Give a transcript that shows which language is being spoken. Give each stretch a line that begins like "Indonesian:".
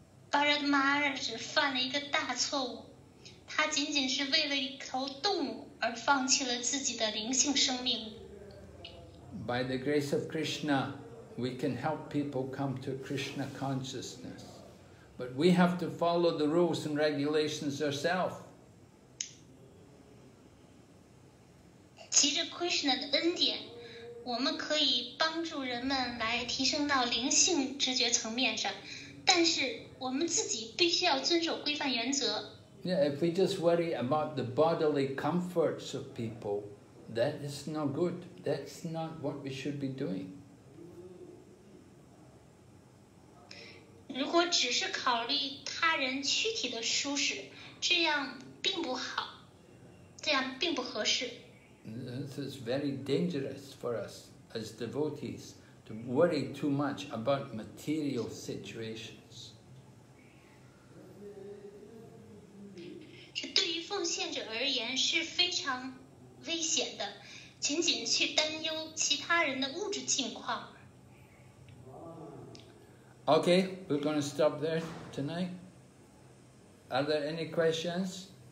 Chinese: Bharat Maharaj 犯了一个大错误，他仅仅是为了一头动物而放弃了自己的灵性生命。
English: By the grace of Krishna, we can help people come to Krishna consciousness, but we have to follow the rules and regulations ourselves.
Chinese: 藉着 Krishna 的恩典，我们可以帮助人们来提升到灵性知觉层面上，但是我们自己必须要遵守规范原则。
English: Yeah, if we just worry about the bodily comforts of people, that is not good. That's not what we should be doing.
Chinese: 如果只是考虑他人躯体的舒适，这样并不好，这样并不合适。
English: This is very dangerous for us as devotees to worry too much about material situations.
Chinese: 这对于奉献者而言是非常危险的，仅仅去担忧其他人的物质境况。
English: Okay, we're going to stop there tonight. Are there any questions?